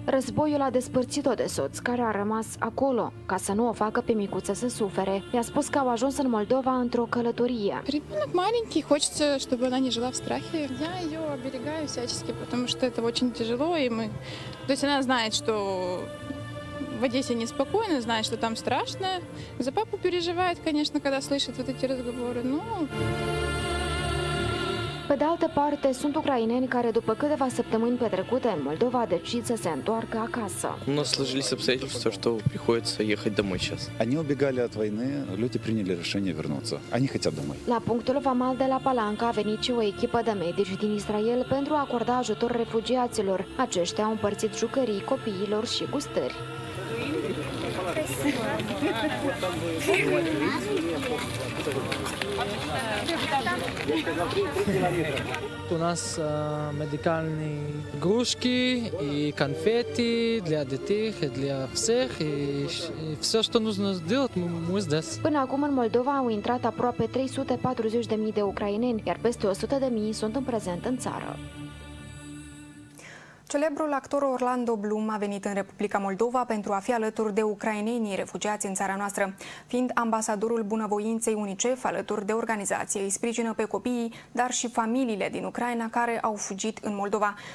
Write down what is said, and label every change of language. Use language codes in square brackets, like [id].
[ro] Războiul a despărțit-o de soț, care a rămas acolo, ca să nu o facă pe micuță să sufere. I-a spus că au ajuns în Moldova într-o călătorie. [ru] Ребенок маленький, хочется, чтобы она не жила в страхе. Я ее оберегаю всячески, потому что это очень тяжело, и мы... То есть она знает, что в Одессе неспокойно, знает, что там страшно. За папу переживает, конечно, когда слышит вот эти разговоры, но... [ro] Pe de altă parte, sunt ucraineni care după câteva săptămâni petrecute în Moldova decid să se întoarcă acasă. [ru] Nu сложились обстоятельства, что приходится ехать домой сейчас. Они убегали от войны, люди приняли решение вернуться. Они хотят домой. [ro] La punctul vamal de la Palanca a venit și o echipă de medici din Israel pentru a acorda ajutor refugiaților. Aceștia au împărțit jucării copiilor și gustări. [ru] У нас медикальные игрушки и конфеты для детей, для всех, и все, что нужно сделать, мы здесь. [ro] Până acum în Moldova au intrat aproape 340.000 de ucraineni, iar peste 100.000 sunt în prezent în țară. Celebrul actor Orlando Bloom a venit în Republica Moldova pentru a fi alături de ucrainenii refugiați în țara noastră. Fiind ambasadorul bunăvoinței UNICEF alături de organizație, îi sprijină pe copiii, dar și familiile din Ucraina care au fugit în Moldova.